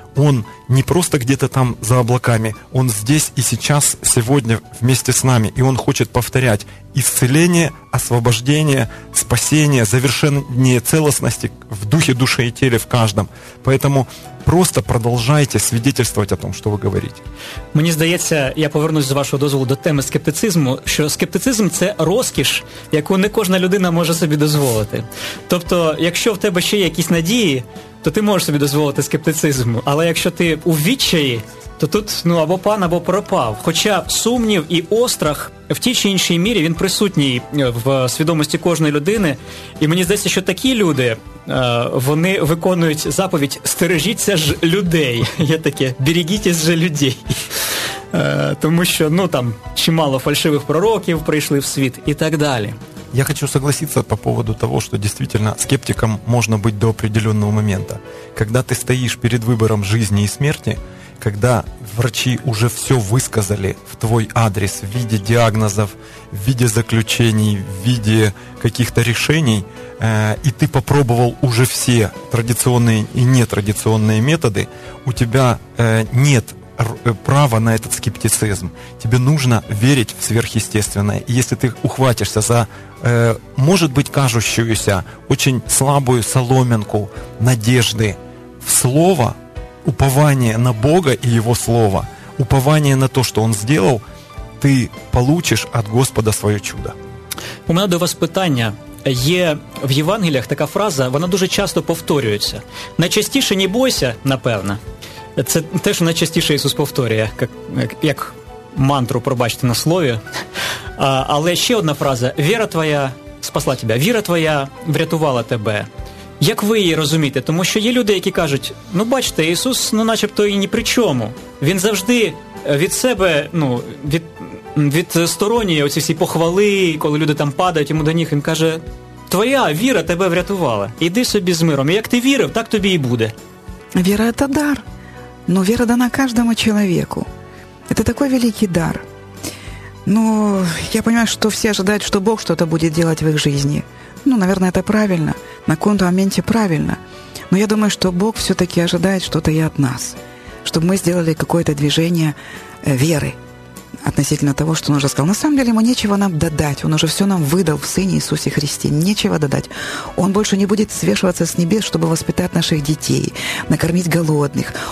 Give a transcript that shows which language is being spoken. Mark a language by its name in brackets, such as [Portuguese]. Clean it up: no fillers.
[Russian] Он не просто где-то там за облаками, Он здесь и сейчас, сегодня вместе с нами. И Он хочет повторять исцеление, освобождение, спасение, завершение целостности в духе, душе и теле в каждом. Поэтому просто продовжайте свидетельствовать о том, что вы говорите. [Ukrainian] Мені здається, я повернусь з вашого дозволу до теми скептицизму, що скептицизм – це розкіш, яку не кожна людина може собі дозволити. Тобто, якщо в тебе ще є якісь надії, то ти можеш собі дозволити скептицизм. Але якщо ти у відчаї, то тут або пан, або пропав. Хоча сумнів і острах в тій чи іншій мірі, він присутній в свідомості кожної людини. І мені здається, що такі люди, вони виконують заповідь «Стережіться ж людей». Є таке «Берегітесь же людей». Тому що чимало фальшивих пророків прийшли в світ і так далі. [Russian] Я хочу согласиться по поводу того, что действительно скептиком можно быть до определенного момента. Когда ты стоишь перед выбором жизни и смерти, когда врачи уже все высказали в твой адрес в виде диагнозов, в виде заключений, в виде каких-то решений, и ты попробовал уже все традиционные и нетрадиционные методы, у тебя нет право на этот скептицизм. Тебе нужно верить в сверхъестественное. И если ты ухватишься за, может быть, кажущуюся очень слабую соломинку надежды в слово, упование на Бога и Его слово, упование на то, что Он сделал, ты получишь от Господа свое чудо. [Ukrainian] У мене до вас питання. Є в Євангеліях така фраза, вона дуже часто повторюється. Найчастіше «не бойся», напевно. Це те, що найчастіше Ісус повторює, як мантру, пробачте, на слові. Але ще одна фраза – «віра твоя спасла тебе», «віра твоя врятувала тебе». Як ви її розумієте? Тому що є люди, які кажуть, ну бачите, Ісус, ну начебто, і ні при чому. Він завжди від себе, ну, відсторонює оці всі похвали, коли люди там падають йому до ніг, він каже, твоя віра тебе врятувала, іди собі з миром, і як ти вірив, так тобі і буде. Віра – це дар, ну віра дана кожному чоловіку, це такий великий дар. Ну, я розумію, що всі чекають, що Бог щось буде робити в їх житті. [Russian] Ну, наверное, это правильно. На каком-то моменте правильно. Но я думаю, что Бог все-таки ожидает что-то и от нас. Чтобы мы сделали какое-то движение веры относительно того, что Он уже сказал. На самом деле, Ему нечего нам додать. Он уже все нам выдал в Сыне Иисусе Христе. Нечего додать. Он больше не будет свешиваться с небес, чтобы воспитать наших детей, накормить голодных.